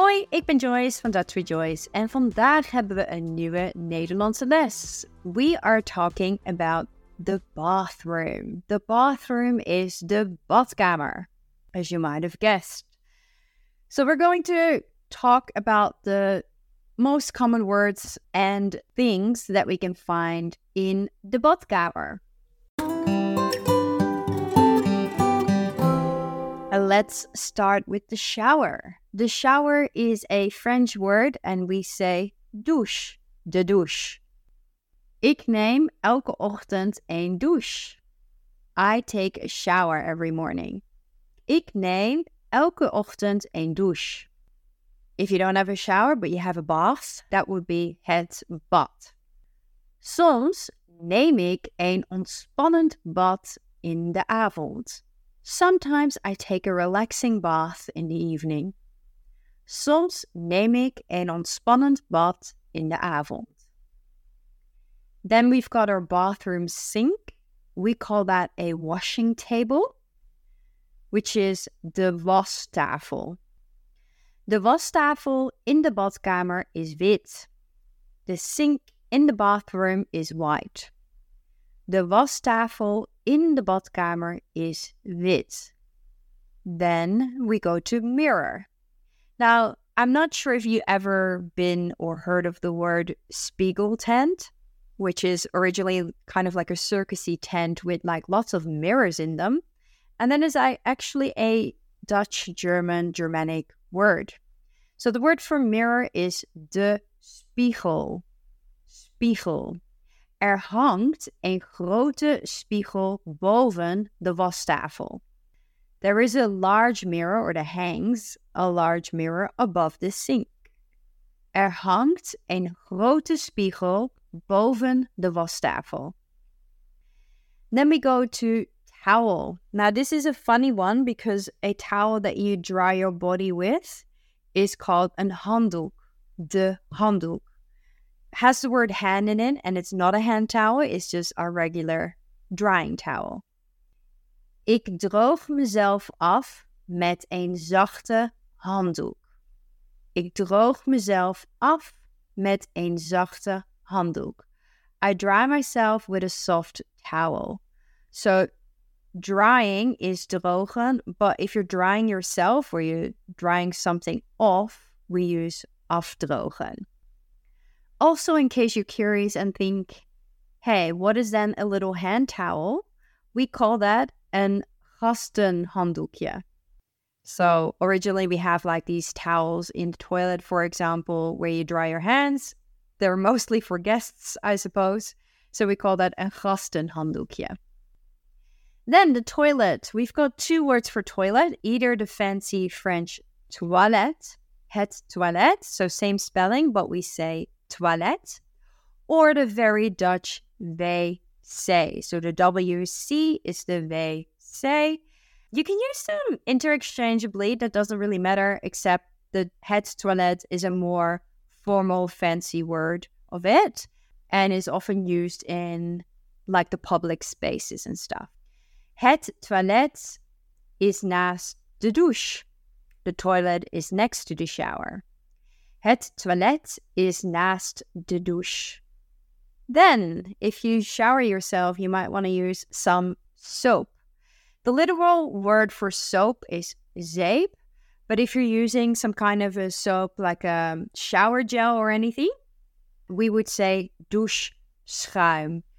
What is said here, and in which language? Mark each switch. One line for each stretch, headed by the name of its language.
Dutch: ik ben Joyce van Dutch with Joyce en vandaag hebben we een nieuwe Nederlandse les.
English: We are talking about the bathroom. The bathroom is de badkamer, as you might have guessed. So we're going to talk about the most common words and things that we can find in the badkamer. Let's start with the shower. The shower is a French word and we say douche, de douche.
Dutch: Ik neem elke ochtend een douche.
English: I take a shower every morning.
Dutch: Ik neem elke ochtend een douche.
English: If you don't have a shower but you have a bath, that would be het bad.
Dutch: Soms neem ik een ontspannend bad in de avond.
English: Sometimes I take a relaxing bath in the evening.
Dutch: Soms neem ik een ontspannend bad in de avond.
English: Then we've got our bathroom sink. We call that a washing table, which is de wastafel.
Dutch: De wastafel in de badkamer is wit.
English: The sink in the bathroom is white.
Dutch: De wastafel in de badkamer is wit.
English: Then we go to mirror. Now, I'm not sure if you ever been or heard of the word spiegel tent, which is originally kind of like a circusy tent with like lots of mirrors in them. And then is actually a Dutch, German, Germanic word. So the word for mirror is de spiegel. Spiegel.
Dutch: Er hangt een grote spiegel boven de wastafel.
English: There is a large mirror, or there hangs a large mirror above the sink.
Dutch: Er hangt een grote spiegel boven de wastafel.
English: Then we go to towel. Now this is a funny one because a towel that you dry your body with is called een handdoek.
Dutch: De handdoek.
English: Has the word hand in it, and it's not a hand towel, it's just our regular drying towel.
Dutch: Ik droog mezelf af met een zachte handdoek. Ik droog mezelf af met een zachte handdoek.
English: I dry myself with a soft towel. So drying is drogen, but if you're drying yourself or you're drying something off, we use afdrogen. Also, in case you're curious and think, hey, what is then a little hand towel? We call that een gastenhanddoekje. So originally we have like these towels in the toilet, for example, where you dry your hands. They're mostly for guests, I suppose. So we call that een gastenhanddoekje. Then the toilet. We've got two words for toilet, either the fancy French toilette, het toilet. So same spelling, but we say toilet, or the very Dutch wc. So the wc is the wc. You can use them interchangeably, that doesn't really matter, except the het toilet is a more formal, fancy word of it and is often used in like the public spaces and stuff.
Dutch: Het toilet is naast de douche.
English: The toilet is next to the shower.
Dutch: Het toilet is naast de douche.
English: Then, if you shower yourself, you might want to use some soap. The literal word for soap is zeep, but if you're using some kind of a soap, like a shower gel or anything, we would say douche schuim.